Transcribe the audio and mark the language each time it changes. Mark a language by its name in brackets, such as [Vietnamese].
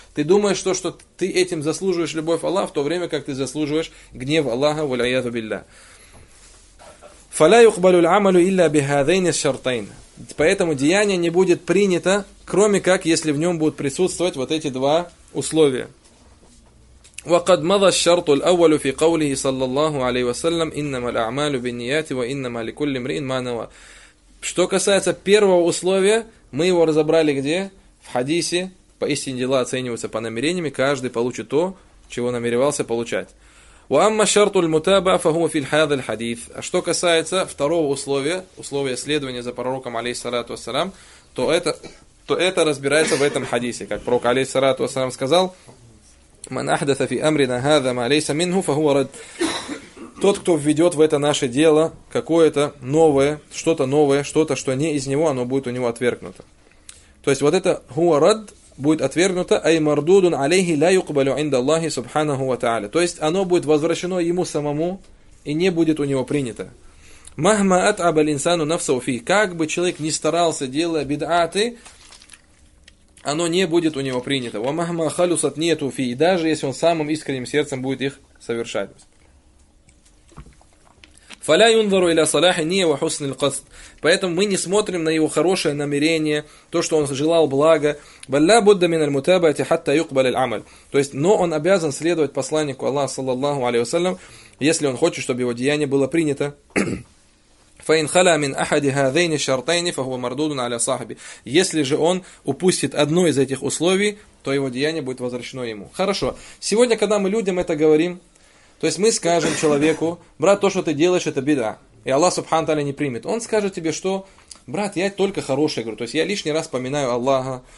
[Russian] Ты думаешь, что ты этим заслуживаешь любовь Аллаха, в то время как ты заслуживаешь гнев Аллаха, [Arabic] валяйяту билля. Фаля юхбалю л'амалю илля бихадейни шартайн. [Russian] Поэтому деяние не будет принято, кроме как, если в нем будут присутствовать вот эти два условия. [Arabic] وقد مضى الشرط الأول في قوله صلى الله عليه وسلم إنما الأعمال بالنيات وإنما لكل امرئ ما نوى. [Russian] Что касается первого условия, мы его разобрали где? В хадисе: поистине дела оцениваются по намерениям, каждый получит то, чего намеревался получать. [Arabic] وأما الشرط المتابع فهو في هذا الحديث. [Russian] А что касается второго условия, условия следования за пророком алейхиссалату вассалям, то это разбирается в этом хадисе, как пророк алейхиссалату вассалям сказал: [Arabic] من أحدث في أمرنا هذا ما ليس منه فهو رد. [Russian] Тот, кто введет в это наше дело какое-то новое, что-то, что не из него, оно будет у него отвергнуто. То есть вот это [Arabic] هو رد [Russian] будет отвергнуто, [Arabic] أي مردود عليه لا يقبل عند الله سبحانه وتعالى. [Russian] То есть оно будет возвращено ему самому и не будет у него принято. [Arabic] مهما أتعب الإنسان نفسه فيه. [Russian] Как бы человек ни старался, делая бидаты, оно не будет у него принято. [Arabic] Ва махма халюсат нету фи, [Russian] даже если он самым искренним сердцем будет их совершать. [Arabic] Фаля юнзару иля салахи ния ва хусни л-касд. [Russian] Поэтому мы не смотрим на его хорошее намерение, то, что он желал блага. [Arabic] Валля будда мин аль-мутабаати хатта юкбаля л-амаль. [Russian] То есть, но он обязан следовать посланнику Аллаха, саллаллаху алейхи ва саллям, если он хочет, чтобы его деяние было принято. [Arabic] فإن خلا من أحد هذين الشرطين فهو مردود على صاحبه. [Russian] Если же он упустит одно из этих условий, то его деяние будет возвращено ему. Хорошо. Сегодня, когда мы людям это говорим, то есть мы скажем человеку: брат, то, что ты делаешь, это беда. И Аллах субхану тааля не примет. Он скажет тебе, что: брат, я только хороший говорю. То есть я лишний раз поминаю Аллаха.